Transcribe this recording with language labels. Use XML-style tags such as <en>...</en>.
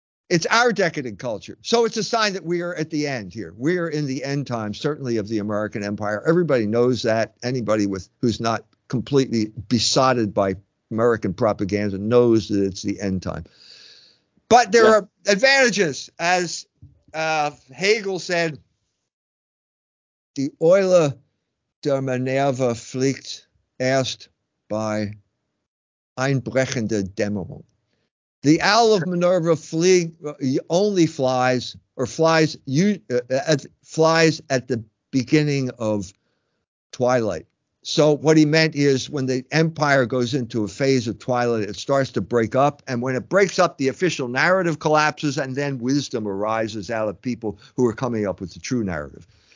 <en>It's our decadent culture. So it's a sign that we are at the end here. We are in the end times, certainly of the American Empire. Everybody knows that. Anybody who's not completely besotted by American propaganda knows that it's the end time. But there are advantages. As Hegel said, the</en> <de>Euler der Minerva fliegt erst bei einbrechender Dämmerung.</de> <en>The owl of Minerva flies at the beginning of twilight. So what he meant is when the empire goes into a phase of twilight, it starts to break up. And when it breaks up, the official narrative collapses, and then wisdom arises out of people who are coming up with the true narrative.</en>